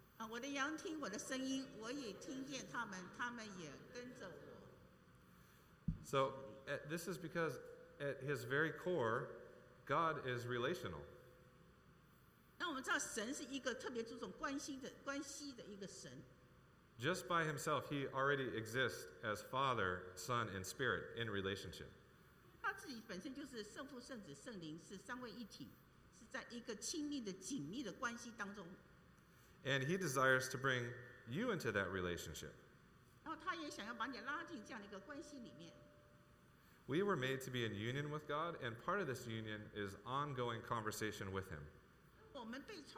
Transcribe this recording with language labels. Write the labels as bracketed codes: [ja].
[zh] 我的羊听我的声音，我也听见他们，他们也跟着我。 [en] So this is because at his very core, God is relational. [zh] 那我们知道神是一个特别注重关系的一个神。 [en] Just by himself, he already exists as Father, Son, and Spirit in relationship. [zh] 他自己本身就是圣父、圣子、圣灵，是三位一体，是在一个亲密的、紧密的关系当中。 [en] And he desires to bring you into that relationship. [zh] 然后他也想要把你拉进这样的一个关系里面。 [en] We were made to be in union with God, and part of this union is ongoing conversation with him.